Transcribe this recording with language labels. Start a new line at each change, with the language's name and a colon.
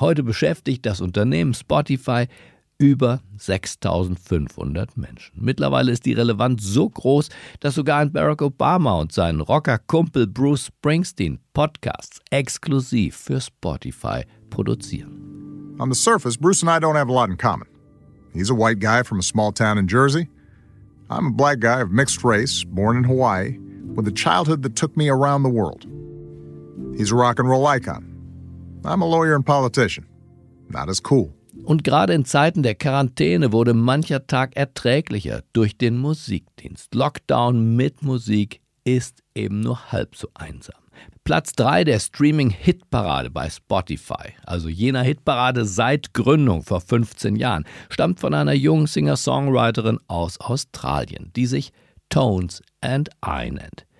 German: Heute beschäftigt das Unternehmen Spotify über 6.500 Menschen. Mittlerweile ist die Relevanz so groß, dass sogar ein Barack Obama und sein Rocker-Kumpel Bruce Springsteen Podcasts exklusiv für Spotify produzieren.
English: On the surface, Bruce and I don't have a lot in common. He's a white guy from a small town in Jersey. I'm a black guy of mixed race, born in Hawaii, with a childhood that took me around the world. He's a rock and roll icon. I'm a lawyer and politician. Not as cool.
German: Und gerade in Zeiten der Quarantäne wurde mancher Tag erträglicher durch den Musikdienst. Lockdown mit Musik ist eben nur halb so einsam. Platz 3 der Streaming-Hitparade bei Spotify, also jener Hitparade seit Gründung vor 15 Jahren, stammt von einer jungen Singer-Songwriterin aus Australien, die sich Tones and I nennt.